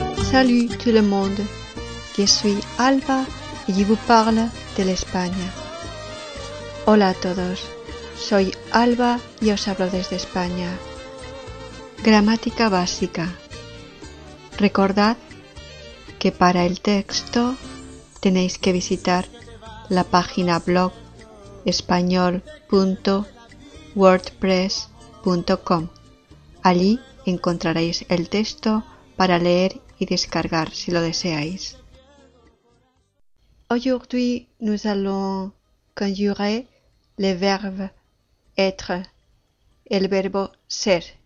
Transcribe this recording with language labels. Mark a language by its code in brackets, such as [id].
[fr] Salut tout le monde, je suis Alba et je vous parle de l'Espagne. [es] Hola a todos, soy Alba y os hablo desde España. Gramática básica. Recordad que para el texto tenéis que visitar la página blog español.wordpress.com. Allí encontraréis el texto para leer y descargar si lo deseáis. [fr] Aujourd'hui, nous allons conjuguer le verbe être, [es] el verbo ser.